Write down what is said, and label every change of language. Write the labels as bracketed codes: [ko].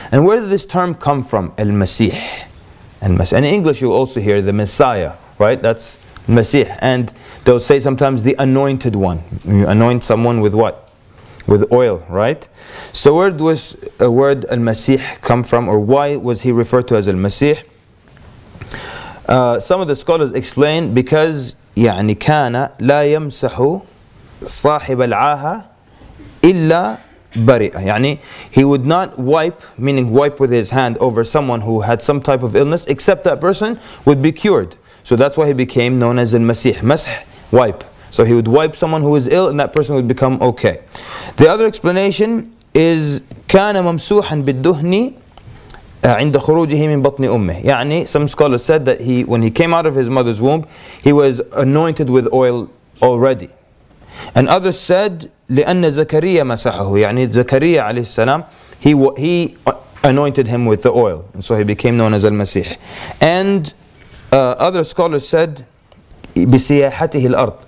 [en] And where did this term come from? Al-Masih. And in English you also hear the Messiah, right? That's Masih. And they'll say sometimes the anointed one. You anoint someone with what? With oil, right? So where does the word Al-Masih come from, or why was he referred to as Al-Masih? Some of the scholars explain, because [ar] يعني كان لا يمسح صاحب العاهة إلا بريء. [en] يعني he would not wipe, meaning wipe with his hand, over someone who had some type of illness, except that person would be cured. So that's why he became known as المسيح. مسح, wipe. So he would wipe someone who is ill and that person would become okay. The other explanation is [ar] كان ممسوحا بالدهن عند خروجه من بطن أمه. [en] يعني some scholars said that when he came out of his mother's womb, he was anointed with oil already. And others said, [ar] لِأَنَّ زَكَرِيَّ مَسَحَهُ. [en] يعني Zakariya عليه السلام, he anointed him with the oil. And so he became known as Al-Masih. And other scholars said, [ar] بِسِيَاحَتِهِ الْأَرْضِ.